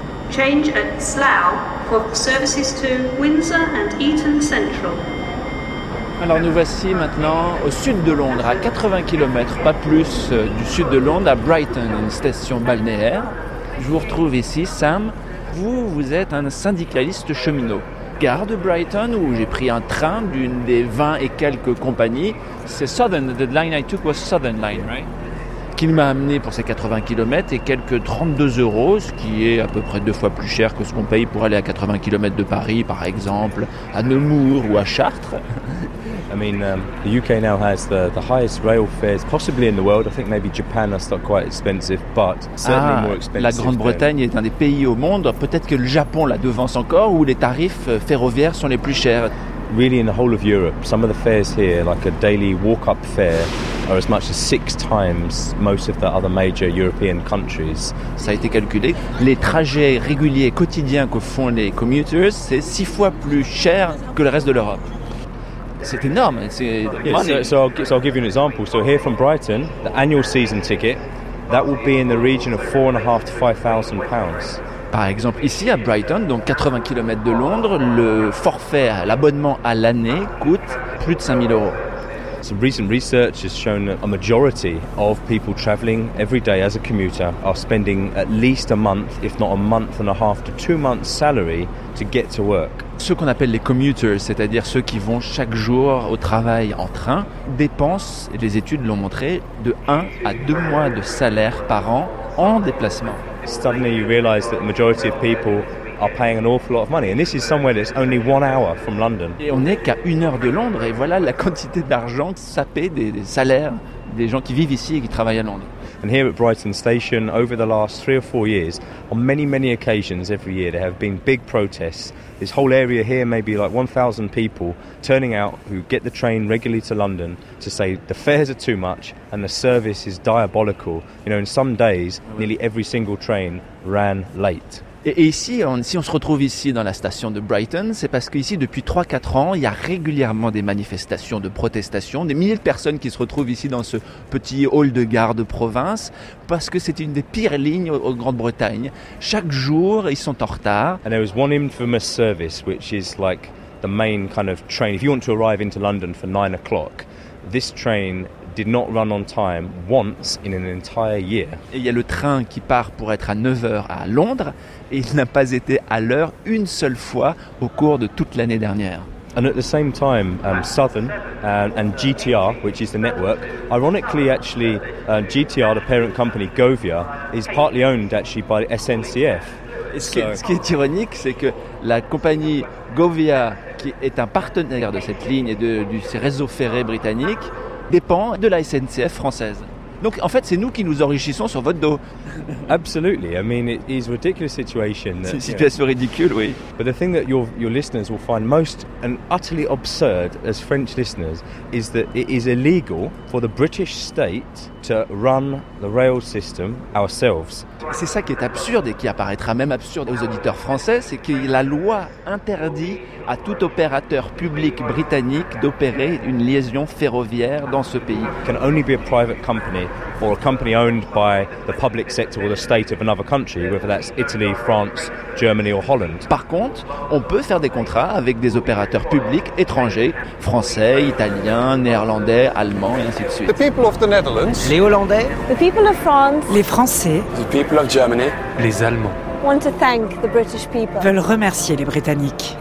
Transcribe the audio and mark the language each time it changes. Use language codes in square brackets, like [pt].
[en] Change at Slough for services to Windsor and Eton Central. [fr] Alors nous voici maintenant au sud de Londres, à 80 km, pas plus, du sud de Londres, à Brighton, une station balnéaire. Je vous retrouve ici, Sam. Vous êtes un syndicaliste cheminot. Gare de Brighton, où j'ai pris un train d'une des 20 et quelques compagnies. C'est Southern, [en] the line I took was Southern Line, right? [fr] Qui m'a amené pour ces 80 km et quelques 32 euros, ce qui est à peu près deux fois plus cher que ce qu'on paye pour aller à 80 km de Paris, par exemple, à Nemours ou à Chartres. [en] I mean, the UK now has the highest rail fares possibly in the world. I think maybe Japan is not quite expensive, but certainly more expensive. [fr] La Grande-Bretagne est un des pays au monde, peut-être que le Japon la devance encore, où les tarifs ferroviaires sont les plus chers. [en] Really, in the whole of Europe, some of the fares here, like a daily walk-up fare, are as much as six times most of the other major European countries. [fr] Ça a été calculé. Les trajets réguliers quotidiens que font les commuters, c'est six fois plus cher que le reste de l'Europe. C'est énorme. [en] So I'll give you an example. So here from Brighton, the annual season ticket, that will be in the region of £4,500 to £5,000. [fr] Par exemple, ici à Brighton, donc 80 km de Londres, le forfait, l'abonnement à l'année coûte plus de 5000 euros. [en] Some recent research has shown that a majority of people traveling every day as a commuter are spending at least a month, if not a month and a half to 2 months salary to get to work. [fr] Ceux qu'on appelle les commuters, c'est-à-dire ceux qui vont chaque jour au travail en train, dépensent, et les études l'ont montré, de 1 à 2 mois de salaire par an en déplacement. [en] Suddenly you realize that the majority of people are paying an awful lot of money, and this is somewhere that's only 1 hour from London. [fr] Et on n'est qu'à une heure de Londres, et voilà la quantité d'argent sapée des salaires des gens qui vivent ici et qui travaillent à Londres. [en] And here at Brighton Station, over the last 3 or 4 years, on many, many occasions every year, there have been big protests. This whole area here, maybe like 1,000 people turning out who get the train regularly to London to say the fares are too much and the service is diabolical. You know, in some days, nearly every single train ran late. [fr] Et ici, si on se retrouve ici dans la station de Brighton, c'est parce qu'ici, depuis 3-4 ans, il y a régulièrement des manifestations, de protestations, des milliers de personnes qui se retrouvent ici dans ce petit hall de gare de province, parce que c'est une des pires lignes en Grande-Bretagne. Chaque jour, ils sont en retard. [en] And there was one infamous service, which is like the main kind of train. If you want to arrive into London for 9 o'clock, this train did not run on time once in an entire year. [fr] Et il y a le train qui part pour être à 9h à Londres et il n'a pas été à l'heure une seule fois au cours de toute l'année dernière. [en] And at the same time, Southern and GTR, which is the network, ironically actually GTR, the parent company Govia, is partly owned actually by the SNCF. [fr] Ce qui est ironique, c'est que la compagnie Govia, qui est un partenaire de cette ligne et de ces réseaux ferrés britanniques, dépend de la SNCF française. Donc en fait, c'est nous qui nous enrichissons sur votre dos. [en] Absolutely. I mean, it is a ridiculous situation. [fr] C'est une situation ridicule, oui. [en] But the thing that your listeners will find most and utterly absurd as French listeners is that it is illegal for the British state to run the rail system ourselves. [fr] C'est ça qui est absurde et qui apparaîtra même absurde aux auditeurs français, c'est que la loi interdit à tout opérateur public britannique d'opérer une liaison ferroviaire dans ce pays. [en] It can only be a private company or a company owned by the public sector or the state of another country, whether that's Italy, France, Germany or Holland. [fr] Par contre, on peut faire des contrats avec des opérateurs publics étrangers, français, italiens, néerlandais, allemands et ainsi de suite. [en] The people of the Netherlands, [fr] les Hollandais, [en] the people of France, [fr] les Français, [en] the people of Germany, [fr] les Allemands, [en] want to thank the British people. [fr] Veulent remercier les Britanniques.